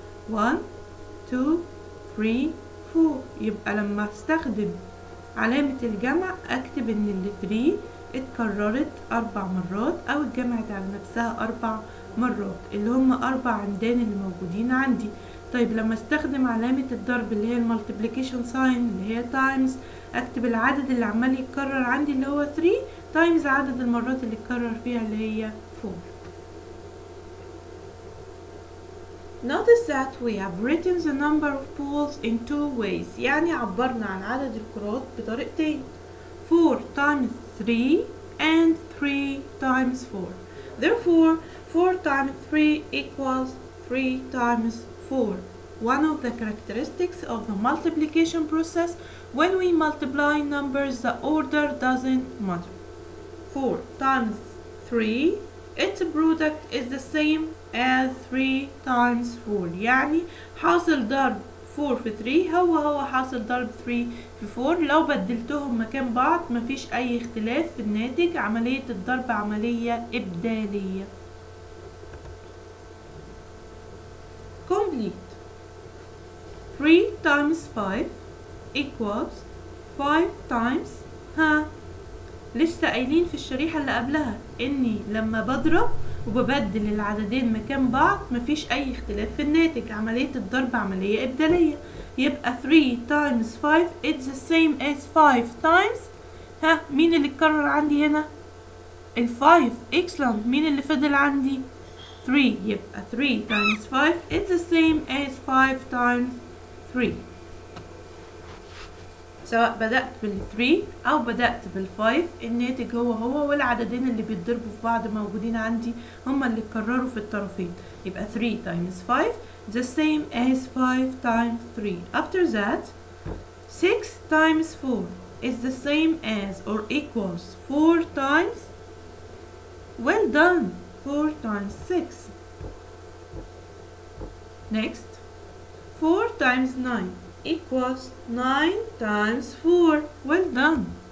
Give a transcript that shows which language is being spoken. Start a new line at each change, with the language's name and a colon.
Arabic: 1, 2, 3, 4. يبقى لما استخدم علامة الجمع اكتب ان اللي 3 اتكررت 4 مرات او اتجمعت على نفسها 4 مرات، اللي هم 4 عمدان اللي موجودين عندي. طيب لما استخدم علامة الضرب اللي هي المالتبليكيشن ساين اللي هي تايمز اكتب العدد اللي عمال يتكرر عندي اللي هو 3 تايمز عدد المرات اللي اتكرر فيها اللي هي 4.
English: Notice that we have written the number of poles in 2 ways.
Arabic: يعني عبرنا عن عدد الكرات بطريقتين.
English: 4 times 3 and 3 times 4. Therefore 4 times 3 equals 3 times 4. One of the characteristics of the multiplication process, when we multiply numbers the order doesn't matter. 4 times 3, its product is the same as 3 times 4.
Arabic: يعني حاصل ضرب 4 في 3 هو حاصل ضرب 3 في 4. لو بدلتهم مكان بعض مفيش أي اختلاف في الناتج. عملية الضرب عملية إبدالية.
English: Complete. 3 times 5 equals 5 times
Arabic: لسه قايلين في الشريحة اللي قبلها اني لما بضرب وببدل العددين مكان بعض مفيش اي اختلاف في الناتج. عملية الضرب عملية ابدالية. يبقى
English: 3 times 5 it's the same as 5 times.
Arabic: ها مين اللي اتكرر عندي هنا؟ ال 5. excellent. مين اللي فضل عندي؟ 3. يبقى
English: 3 times 5 it's the same as 5 times 3.
Arabic: سواء بدأت بال 3 أو بدأت بال 5، الناتج هو هو، والعددين اللي بيتضربوا في بعض موجودين عندي هما اللي اتكرروا في الطرفين، يبقى
English: 3 times 5 the same as 5 times 3. After that 6 times 4 is the same as or equals 4 times. Well done. 4 times 6. Next, 4 times 9 equals 9 times 4. Well done.